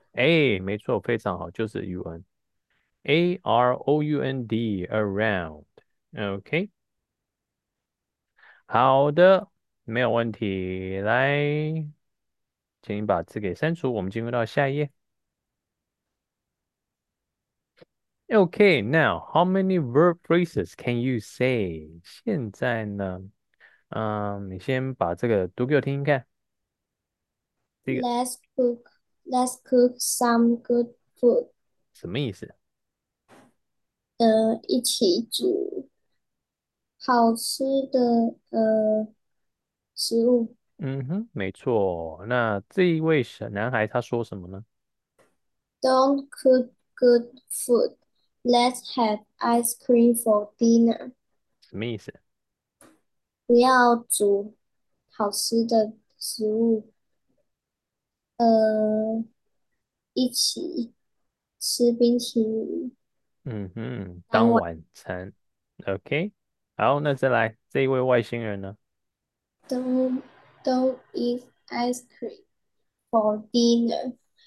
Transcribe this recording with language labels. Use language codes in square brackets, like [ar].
[zh] a 没错，非常好，就是 un。 [en] Around, around, OK。 [zh] 好的，没有问题。来，请你把字给删除，我们进入到下一页。 [en] OK, now how many verb phrases can you say？ [zh] 现在呢，你先把这个读给我听听看。这个 [en] Let's cook some good food. [zh] 什么意思？一起煮好吃的食物。没错。那这一位小男孩他说什么呢？ [en] Don't cook good food. Let's have ice cream for dinner. [zh] 什么意思？不要煮好吃的食物。一起吃冰淇淋，当当晚晚餐。 OK，好，那再来这一位外星人呢？ [en] don't eat ice cream for dinner.